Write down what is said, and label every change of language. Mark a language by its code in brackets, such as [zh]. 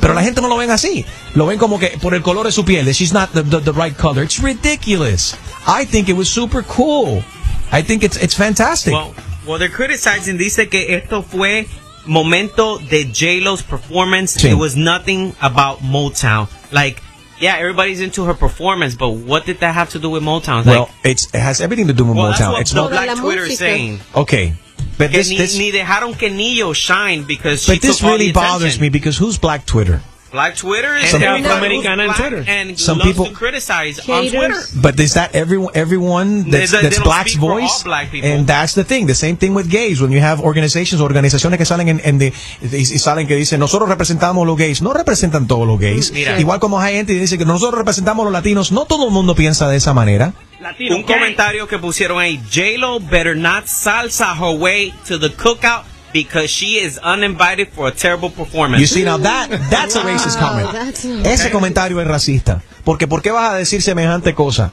[es] Pero la gente no lo ven así. Lo ven como que por el color de su piel. [en] She's not the right color. It's ridiculous. I think it was super cool. I think it's fantastic. Well, they're criticizing. [es] Dice que esto fue momento de J-Lo's performance. Sí. [en] It was nothing about Motown. Like, yeah, everybody's into her performance, but what did that have to do with Motown? Well, like, it has everything to do with Motown. That's what Black Twitter is saying. Okay. But this [es] ni dejaron que Neo [en] shine because she took all the But this really bothers me because who's Black Twitter? Black Twitter is Afro-American on Twitter. And some people to criticize haters on Twitter. But is that everyone that's Black's voice? Black people. And that's the thing. The same thing with gays. When you have [es] organizaciones que salen y salen que dicen, nosotros representamos los gays. No representan todos los gays. Mira. Igual como hay gente que dice que nosotros representamos los latinos. No todo el mundo piensa de esa manera. Latino, un gay comentario que pusieron ahí. [en] J-Lo better not salsa her way to the cookout, because she is uninvited for a terrible performance. You see, now that's a racist comment. [es] Ese comentario es racista. Porque ¿por qué vas a decir semejante cosa?